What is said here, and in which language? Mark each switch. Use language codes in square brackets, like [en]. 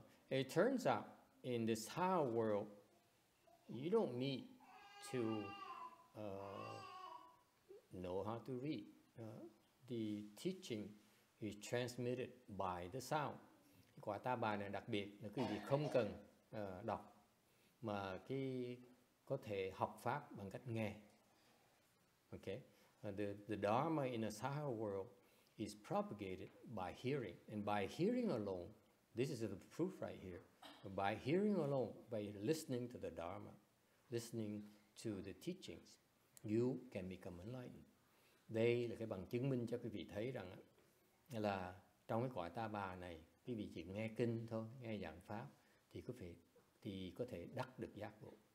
[en] It turns out in this higher world, you don't need to know how to read. The teaching is transmitted by the sound. [vi] Quả ta bà này đặc biệt là quý vị không cần đọc mà cái có thể học pháp bằng cách nghe. [en] Okay, the Dharma in a higher world is propagated by hearing, and by hearing alone, this is the proof right here. By hearing alone, by listening to the Dharma, listening to the teachings, you can become enlightened. [vi] Đây là cái bằng chứng minh cho quý vị thấy rằng là trong cái quả ta bà này, quý vị chỉ nghe kinh thôi, nghe giảng pháp thì có thể đắc được giác ngộ.